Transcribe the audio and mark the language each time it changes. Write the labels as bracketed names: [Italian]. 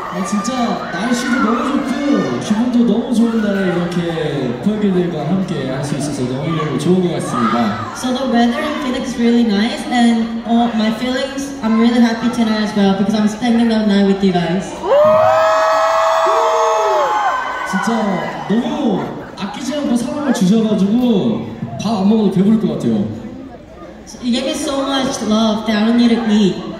[Korean] 진짜 날씨도 너무 좋고 기분도 너무 좋은 날에 이렇게. 토요일들과 함께 할 수 있어서 너무 좋은 것 같습니다. [English] So the weather in Phoenix is really nice, and all my feelings, I'm really happy tonight as well because I'm spending the night with you guys. [Korean] 진짜 너무 아끼지 않고 사랑을 주셔가지고 밥 안 먹어도 배부를 것 같아요. [English] So you gave me so much love that I don't need to eat.